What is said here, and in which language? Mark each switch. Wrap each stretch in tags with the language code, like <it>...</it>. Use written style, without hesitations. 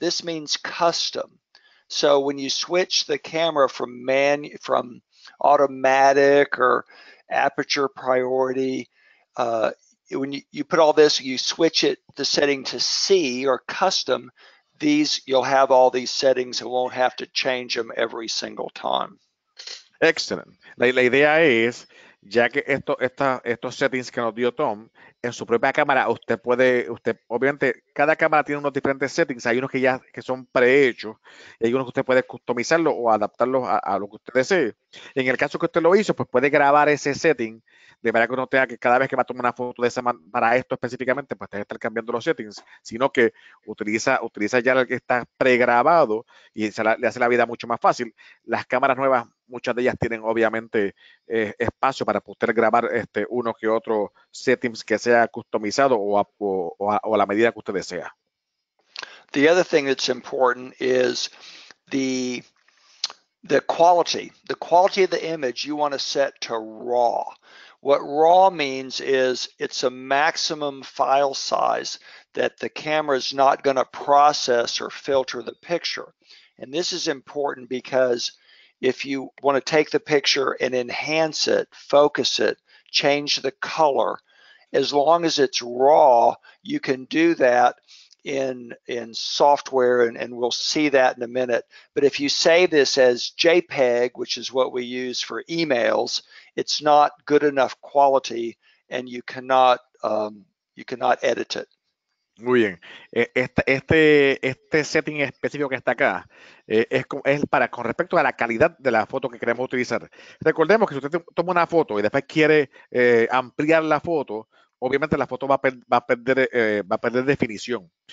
<en>This means custom. So when you switch the camera from automatic or aperture priority, when you put all this, you switch it the setting to C or custom, these you'll have all these settings and won't have to change them every single time. Excellent.</en> <es>La idea es, ya que estos settings que nos dio Tom, en su propia cámara, usted obviamente, cada cámara tiene unos diferentes settings. Hay unos que son prehechos, y hay unos que usted puede customizarlo o adaptarlo a lo que usted desee. Y en el caso que usted lo hizo, pues puede grabar ese setting, de manera que uno tenga que cada vez que va a tomar una foto de esa para esto específicamente, pues tenga que estar cambiando los settings, sino que utiliza ya el que está pregrabado y le hace la vida mucho más fácil. Las cámaras nuevas, muchas de ellas tienen obviamente espacio para poder grabar uno que otro settings que sea customizado o a la medida que usted desea.</es> <en>The other thing that's important is the quality of the image you want to set to raw. What raw means is it's a maximum file size that the camera is not going to process or filter the picture. And this is important because if you want to take the picture and enhance it, focus it, change the color, as long as it's raw, you can do that in software, and we'll see that in a minute. But if you save this as JPEG, which is what we use for emails, it's not good enough quality, and you cannot edit it.</en> <es>Muy bien. Este setting específico que está acá es para con respecto a la calidad de la foto que queremos utilizar. Recordemos que si usted toma una foto y después quiere ampliar la foto, obviamente la foto va a perder definición.</es>